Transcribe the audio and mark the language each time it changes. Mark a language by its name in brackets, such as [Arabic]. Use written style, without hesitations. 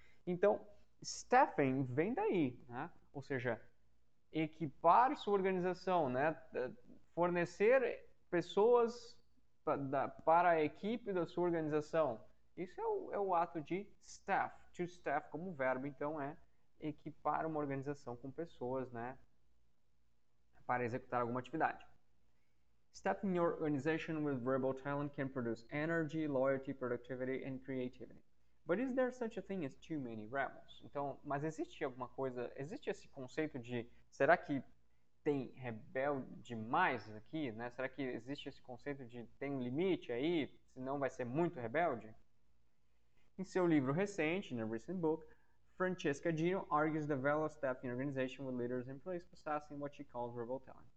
[Portuguese] Então, staffing vem daí, né? Ou seja, equipar sua organização, né? Fornecer pessoas para a equipe da sua organização. Isso é o ato de staff. To staff como verbo, então, é equipar uma organização com pessoas, né? Para executar alguma atividade. [English] Staffing your organization with rebel talent can produce energy, loyalty, productivity, and creativity. But is there such a thing as too many rebels? [Portuguese] Então, mas existe alguma coisa, existe esse conceito de, será que tem rebelde demais aqui, né? Será que existe esse conceito de, tem um limite aí, senão vai ser muito rebelde? Em seu livro recente, [English] in a recent book, Francesca Gino argues the value of staffing organization with leaders in place possessing what she calls rebel talent.